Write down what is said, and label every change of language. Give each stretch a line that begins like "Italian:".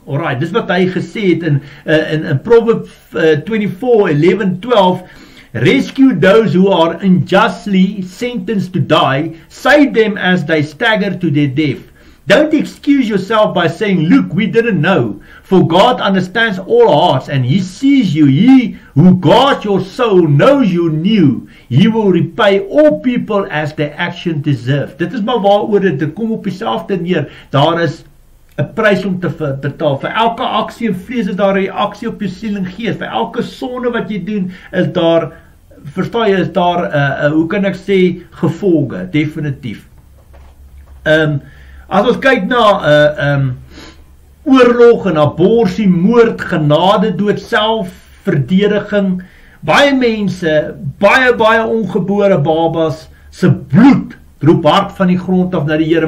English: Alright,
Afrikaans: dis wat hy gesê het
English: in Proverbs 24:11-12, "Rescue those who are unjustly sentenced to die, save them as they stagger to their death. Don't excuse yourself by saying, 'Look, we didn't know.' For God understands all hearts and he sees you. He who guards your soul knows you new. He will repay all people as their action deserve."
Afrikaans: Dit is maar waaroor dit kom op dieselfde neer. Daar is 'n prys om te betaal. Vir elke aksie en vrees is daar 'n reaksie op jou siel en gees. Vir elke sonde wat jy doen is daar, verstaan jy, is daar, hoe kan ek sê, gevolge, definitief. As ons kyk na oorlog en abortie, moord, genade dood, selfverdediging, baie mense, baie ongebore babas se bloed roep hard van die grond af na die Here.